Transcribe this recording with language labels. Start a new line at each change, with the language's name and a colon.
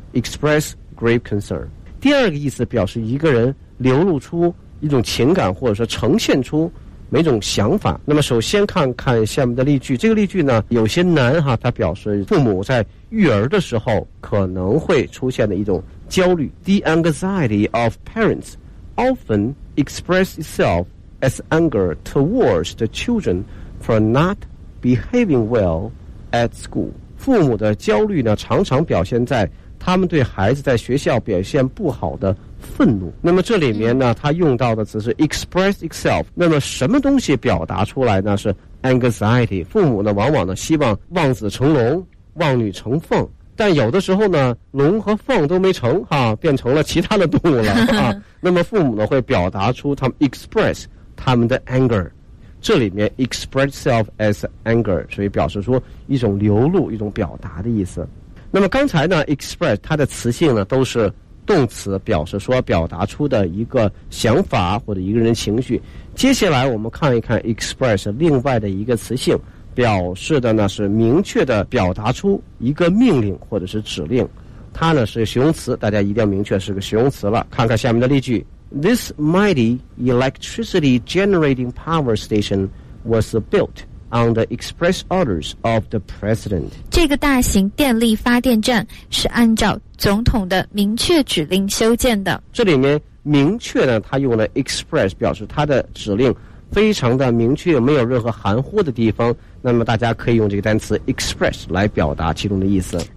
English: Express grave concern。
Chinese: 第二个意思表示一个人流露出一种情感，或者说呈现出每种想法。那么首先看看下面的例句，这个例句呢有些难哈，它表示父母在育儿的时候可能会出现的一种焦虑。
English: The anxiety of parentsOften express itself as anger towards the children for not behaving well at school.
Chinese: 父母的焦虑呢，常常表现在他们对孩子在学校表现不好的愤怒。那么这里面呢，他用到的词是 express itself。那么什么东西表达出来呢？是 anxiety。父母呢，往往呢希望望子成龙，望女成凤。但有的时候呢，龙和凤都没成哈、变成了其他的动物了啊。那么父母呢会表达出他们 express 他们的 anger， 这里面
English: express self as anger，
Chinese: 所以表示说一种流露一种表达的意思。那么刚才呢 express 它的词性呢都是动词，表示说表达出的一个想法或者一个人情绪。接下来我们看一看 express 另外的一个词性，表示的呢是明确的表达出一个命令或者是指令，它呢是形容词，大家一定要明确是个形容词了。看看下面的例句，
English: This mighty electricity generating power station was built on the express orders of the president.
Chinese: 这个大型电力发电站是按照总统的明确指令修建的。这里面明确呢，它用了 express 表示它的指令非常的明确，没有任何含糊的地方。那么大家可以用这个单词 express 来表达其中的意思。